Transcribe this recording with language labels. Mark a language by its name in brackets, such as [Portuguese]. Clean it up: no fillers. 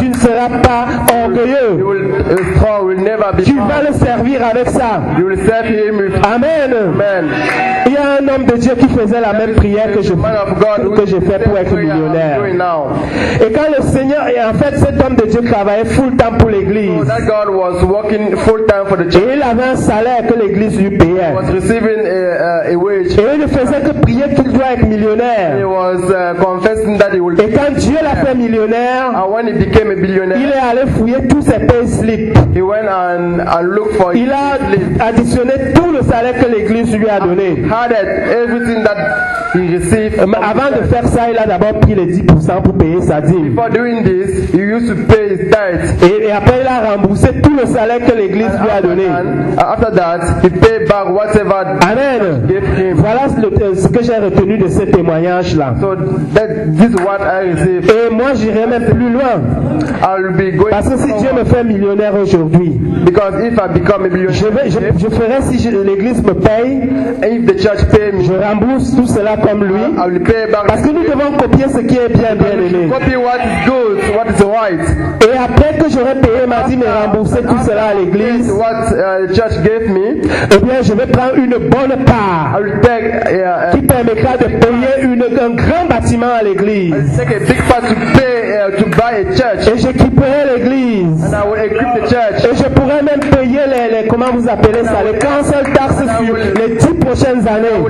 [French] Tu ne seras pas orgueilleux. [English] Will never be [French] tu [English] proud. [French] Vas le servir avec ça. [English] You will serve him with amen. Amen. [French] Il y a un homme de Dieu qui faisait la même prière que je fais pour être millionnaire. Et quand le Seigneur, et en fait cet homme de Dieu travaillait full temps pour l'église. [English] So that God was working full time for the church. [French] Et il avait un salaire que l'église lui payait. [English] He was receiving a wage. [French] Et il ne faisait que prier qu'il doit être millionnaire. [English] He was, confessing that he will [French] et quand Dieu l'a fait millionnaire, [English] and when he became a billionaire, [French] il est allé fouiller tous ses payslips. [English] He went and looked for [French] il a additionné tout le salaire que l'église lui a donné. [English] Added everything that he received. [French] Mais avant de faire ça, il a d'abord pris les 10% pour payer sa dîme. [English] Before doing this, he used to pay his tithe. [French] Et après, il a remboursé tout le salaire que l'église [English] and [French] lui a donné. [English] After that, he paid back whatever amen. He gave him. [French] Voilà ce que j'ai retenu de ce témoignage-là. [English] So that, this is what I received. [French] Et moi, j'irai même plus loin. [English] I'll be going [French] parce que si Dieu me fait millionnaire aujourd'hui, [English] because if I become a millionaire, [French] je ferai si l'église me paye. [English] The church pay me. [French] Je rembourse tout cela comme lui. Parce que nous devons copier ce qui est bien-aimé. [English] Copy what is good, what is right. [French] Et après que j'aurai payé ma dîme et remboursé tout cela à l'église, [English] what, the church gave me, [French] eh bien, je vais prendre une bonne part qui permettra de payer un grand bâtiment à l'église. [English] Take a big part to pay, to buy a church. [French] Et j'équiperai l'église. [English] And I will equip the church. [French] Et je pourrai même payer comment vous appelez [English] and [French] ça, les council taxes sur les 10 prochaines années